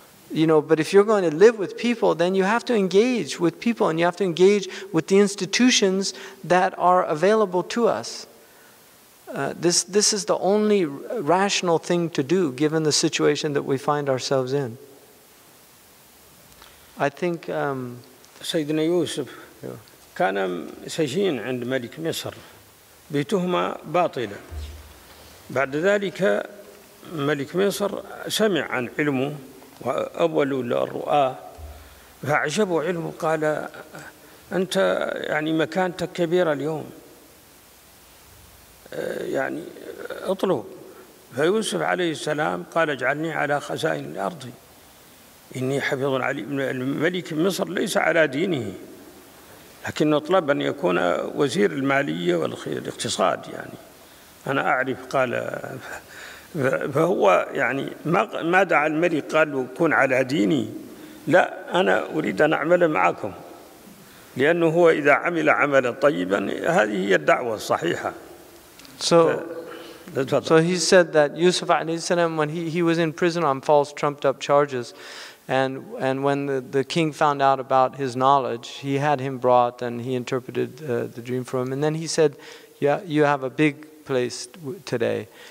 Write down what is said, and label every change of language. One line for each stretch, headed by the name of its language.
English: You know, but if you're going to live with people, then you have to engage with people, and you have to engage with the institutions that are available to us. This is the only rational thing to do, given the situation that we find ourselves in. I think
Arabic: Sayyidina Yusuf كان سجين عند ملك مصر بتهمة باطلة. بعد ذلك ملك مصر سمع عن علمه. وأول الرؤى فأعجبوا علمه قال أنت يعني مكانتك كبيرة اليوم يعني اطلب فيوسف عليه السلام قال اجعلني على خزائن الأرض إني حفظ علي الملك مصر ليس على دينه لكن اطلب أن يكون وزير المالية والاقتصاد يعني أنا أعرف قال فهو يعني ما دعا الملك قال كن على ديني لا أنا أريد أن أعمل معكم لأنه هو إذا عمل عملا طيبا هذه هي الدعوة الصحيحة.
English: So he said that Yusuf alayhi salam, when he was in prison on false trumped up charges, and when the king found out about his knowledge, he had him brought and he interpreted the dream for him, and then he said, yeah, you have a big place today.